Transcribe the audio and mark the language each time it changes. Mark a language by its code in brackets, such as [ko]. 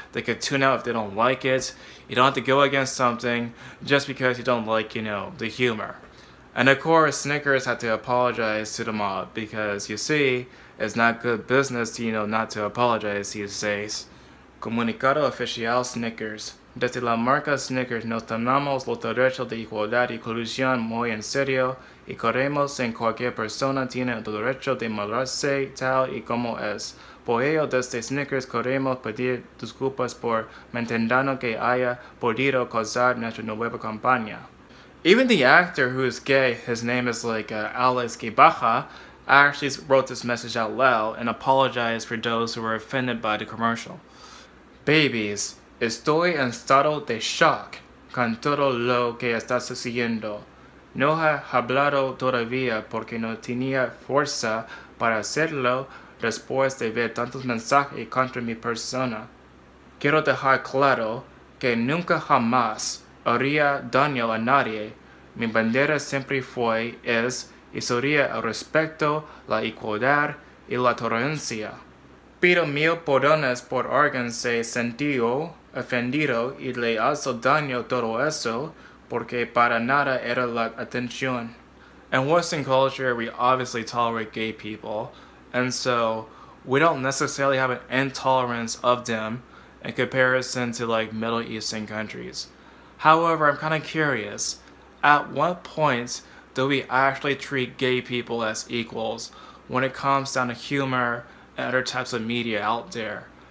[en] They could tune out if they don't like it. You don't have to go against something just because you don't like, you know, the humor. And of course, Snickers had to apologize to the mob because, you see, it's not good business to, you know, not to apologize, he says. [es] Comunicado oficial Snickers. Desde la marca Snickers, nos tomamos los derechos de igualdad y inclusión muy en serio y creemos en cualquier persona tiene el derecho de mostrarse tal y como es. Por ello, desde Snickers queremos pedir disculpas por mentirnos que haya podido causar nuestra nueva campaña. [en] Even the actor who is gay, his name is like Alex Gibaja, actually wrote this message out loud and apologized for those who were offended by the commercial. [es] Babies, estoy en estado de shock con todo lo que está sucediendo. No he hablado todavía porque no tenía fuerza para hacerlo después de ver tantos mensajes contra mi persona. Quiero dejar claro que nunca jamás haría daño a nadie. Mi bandera siempre fue, es, y sería el respeto, la igualdad y la tolerancia. Pido mil perdones por haberse sentido ofendido y le hizo daño todo eso, porque para nada era la atención. [en] In Western culture, we obviously tolerate gay people, and so we don't necessarily have an intolerance of them in comparison to like Middle Eastern countries. However, I'm kind of curious, at what point do we actually treat gay people as equals when it comes down to humor and other types of media out there?